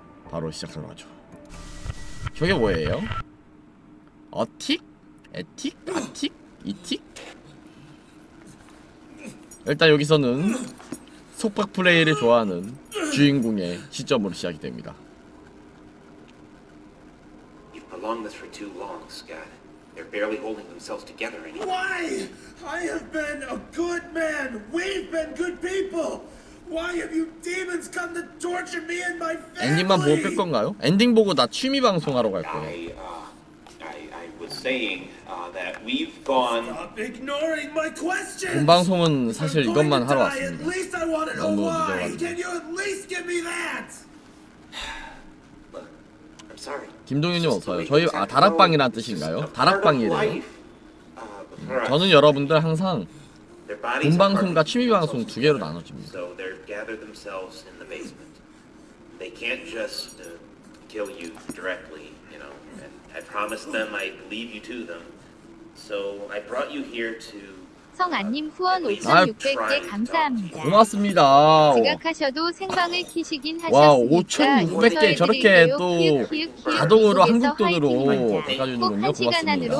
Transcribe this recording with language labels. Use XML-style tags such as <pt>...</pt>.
<ko>바로 시작하러 가죠. 저게 뭐예요? 어틱? 에틱? 아틱? 이틱? 일단 여기서는 속박 플레이를 좋아하는 주인공의 시점으로 시작이 됩니다.</ko> <en>You prolong this for too long, Scott. They're barely holding themselves together anymore. Why? I have been a good man. We've been good people. Why have you demons come to torture me and my family?</en> <ko>엔딩만 보고 끌 건가요? 엔딩 보고 나 취미 방송하러 갈 거예요.</ko> <en>I was saying that we've gone. Stop ignoring my questions.</en> <ko>본 방송은 사실 이것만 하러 왔습니다.</ko> <en>Can you at least give me that? I'm sorry.</en> <ko>김동윤님 어서요. 저희 아 다락방이란 뜻인가요? 다락방이래요. 저는 여러분들 항상 본 방송과 취미 방송 두 개로 나눠집니다.</ko> <en>So they're gathered themselves in the basement. They can't just kill you directly. I promised them I'd leave you to them. So I brought you here to</en> <ko>성안님 후원 5,600개 감사합니다. 고맙습니다. 지각하셔도 생방을 키시긴 하셨습니다. 와, 5,600개 저렇게 또 자동으로 한국 돈으로 바꿔주는군요. 고맙습니다.</ko>